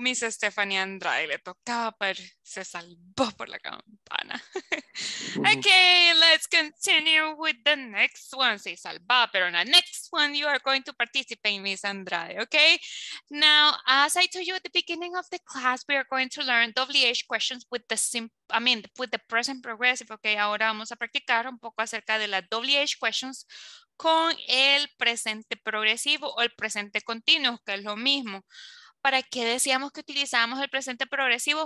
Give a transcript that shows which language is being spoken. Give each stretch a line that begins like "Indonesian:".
Spanish: Miss Stephanie Andrade le tocaba, pero se salvó por la campana.
English: Okay, let's continue with the next one.
Spanish: Se salva, pero
English: in the next one, you are going to participate, Miss Andrade. Okay. Now, as I told you at the beginning of the class, we are going to learn WH questions with the with the present progressive.
Spanish: Okay, ahora vamos a practicar un poco acerca de las WH questions con el presente progresivo o el presente continuo, que es lo mismo. ¿Para qué decíamos que utilizamos el presente progresivo?